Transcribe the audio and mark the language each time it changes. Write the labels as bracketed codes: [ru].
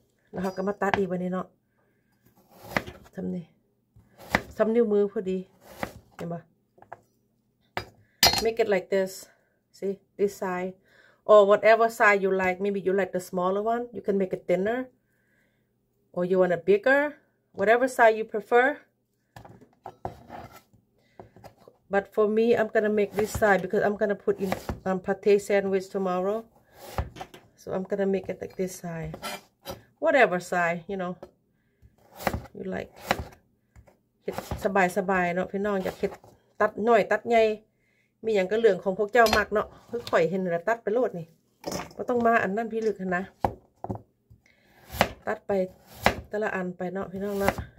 [tts] แล้วเฮาก็มาตัดอีกบัดนี้เนาะซ้ํานี่ซ้ํานิ้วมือพอดีเห็นบ่ [en] Make it like this See this size or whatever size you like maybe you like the smaller one you can make it thinner or you want a bigger whatever size you preferBut for me, I'm gonna make this side because I'm gonna put in pate sandwich tomorrow. So I'm gonna make it like this side. Whatever side, you know, you like. [tts] เฮ็ดสบายสบายเนาะพี่น้องอยากเฮ็ดตัดน้อยตัดใหญ่มีหยังก็เรื่องของพวกเจ้ามักเนาะคือข่อยเห็นแล้วตัดไปโลดนี่บ่ต้องมาอันนั้นพี่ลึกนะตัดไปแต่ละอันไปเนาะพี่น้องเนาะ